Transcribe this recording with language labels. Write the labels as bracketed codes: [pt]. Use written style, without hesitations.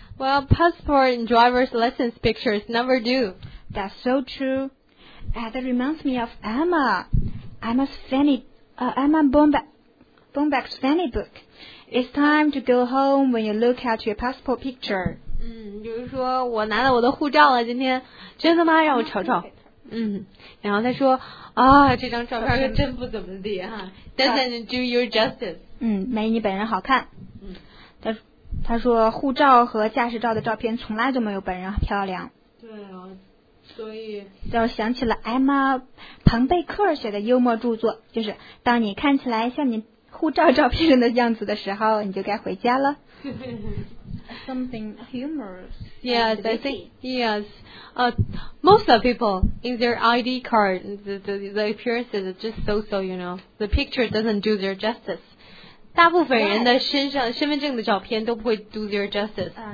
[en] Well, passport and driver's license pictures never do. That's so true. That reminds me of Emma. Emma's Fanny, Emma Bombeck's Fanny book. It's time to go home when you look at your passport picture. [zh] 就是说我拿了我的护照了今天真的吗让我瞅瞅。然后他说这张照片真不怎么地哈。 [en] Doesn't do you justice. [zh] 没你本人好看。他说护照和驾驶照的照片从来都没有本人漂亮。对啊。所以就想起了艾玛彭贝克写的幽默著作就是当你看起来像你护照照片上的样子的时候你就该回家了 [en] something humorous yes I think yes most of people in their ID card the appearance is just so you know the picture doesn't do their justice 大部分人的身上、 yes. [zh] 身份证的照片都不会 do their justice